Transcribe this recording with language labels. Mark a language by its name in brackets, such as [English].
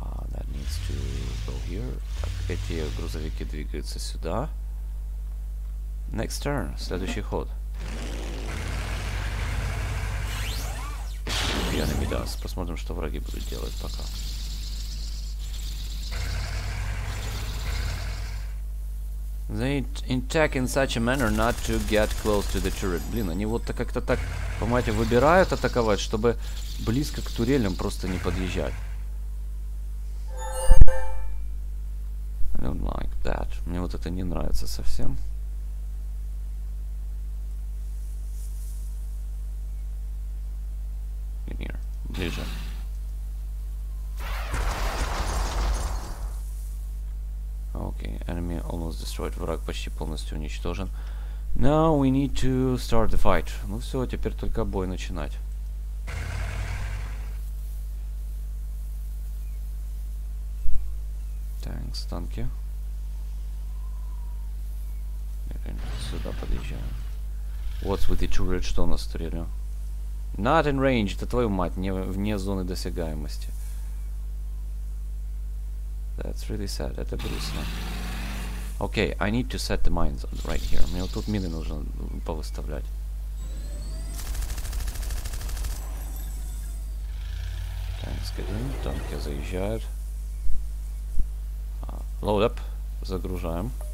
[English] That needs to go here. [Russian] Так, эти грузовики двигаются сюда. [English] Next turn, [Russian] следующий ход. Посмотрим, что враги будут делать пока. [English] They attack in such a manner not to get close to the turret. [Russian] Блин, они вот как-то так, понимаете, выбирают атаковать, чтобы близко к турелям просто не подъезжать. [English] I don't like that. [Russian] Мне вот это не нравится совсем. Ближе. [English] Okay, enemy almost destroyed. [Russian] Враг почти полностью уничтожен. [English] Now we need to start the fight. [Russian] Ну все, теперь только бой начинать. Танкс, танки. Сюда подъезжаем. [English] What's with the turret? [Russian] Что у нас с турелью? [English] Not in range, [Russian] это твою мать, не вне зоны досягаемости. [English] That's really sad, [Russian] это грустно. [English] Okay, I need to set the mines right here. [Russian] Мне вот тут мины нужно повыставлять. Танкс кидаем, танки заезжают. [English] Load up, [Russian] загружаем.